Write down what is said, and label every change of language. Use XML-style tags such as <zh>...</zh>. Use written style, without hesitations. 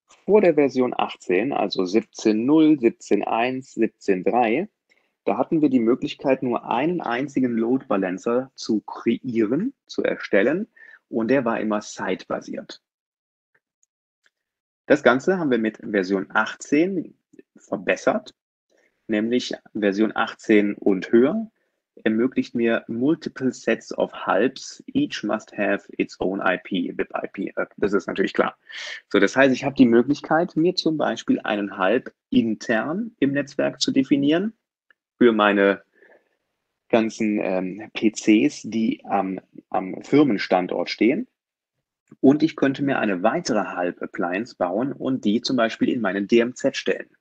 <de>Vor der Version 18, also 17.0, 17.1, 17.3, da hatten wir die Möglichkeit, nur einen einzigen Load Balancer zu kreieren, zu erstellen, und der war immer site-basiert. Das Ganze haben wir mit Version 18 verbessert, nämlich Version 18 und höher ermöglicht mir</de> <en>multiple sets of HALBs. Each must have its own IP, WIP-IP.</en> <de>Das ist natürlich klar. So, das heißt, ich habe die Möglichkeit, mir zum Beispiel einen HALB intern im Netzwerk zu definieren. Für meine ganzen PCs, die am Firmenstandort stehen. Und ich könnte mir eine weitere HALB-Appliance bauen und die zum Beispiel in meinen DMZ stellen.</de>